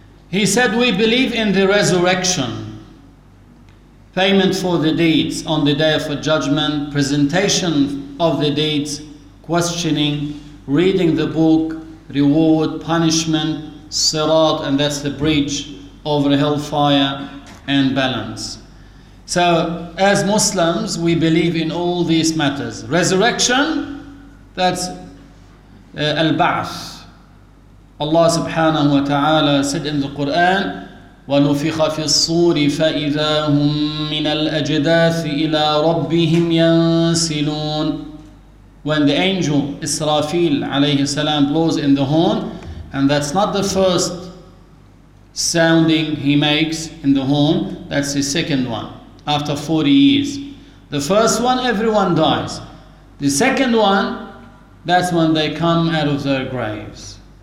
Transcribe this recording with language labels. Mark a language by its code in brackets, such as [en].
[en] He said, we believe in the resurrection, payment for the deeds on the day of judgment, presentation of the deeds, questioning, reading the book, reward, punishment, sirat, and that's the bridge over hellfire and balance. So as Muslims, we believe in all these matters. Resurrection, that's al-ba'ath. Allah subhanahu wa ta'ala said in the Quran, [ar] وَنُفِخَ فِي الصُّورِ فَإِذَا هُمْ مِنَ الْأَجْدَاثِ إِلَىٰ رَبِّهِمْ يَنْسِلُونَ. [en] When the angel Israfil alayhi salam blows in the horn, and that's not the first sounding he makes in the horn, that's the second one after 40 years. The first one, everyone dies. The second one, that's when they come out of their graves.